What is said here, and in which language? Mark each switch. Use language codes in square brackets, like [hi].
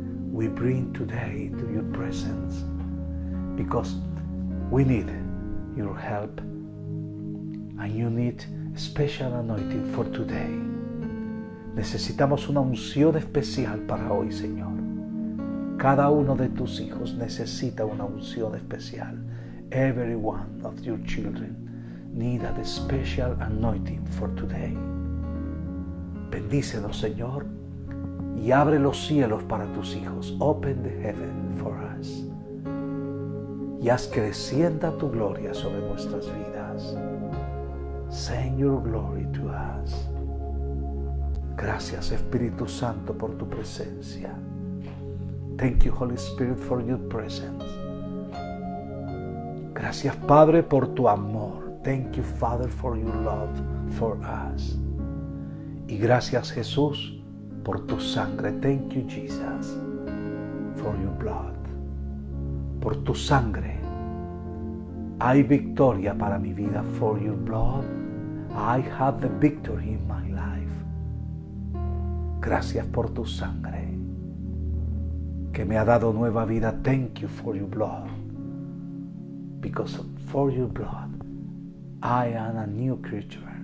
[en] We bring today to your presence because we need your help and you need special anointing for today. [es] Necesitamos una unción especial para hoy, Señor. Cada uno de tus hijos necesita una unción especial. [en] Every one of your children need a special anointing for today. [es] Bendícenos, Señor, y abre los cielos para tus hijos. [en] Open the heaven for us. [es] Y haz que descienda tu gloria sobre nuestras vidas. [en] Send your glory to us. [es] Gracias, Espíritu Santo, por tu presencia. [en] Thank you, Holy Spirit, for your presence. [es] Gracias, Padre, por tu amor. [en] Thank you, Father, for your love for us. [es] Y gracias, Jesús, por tu sangre. [en] Thank you, Jesus, for your blood. [es] Por tu sangre hay victoria para mi vida. [en] For your blood, I have the victory in my life. [es] Gracias por tu sangre que me ha dado nueva vida. [en] Thank you for your blood. Because for your blood, I am a new creature.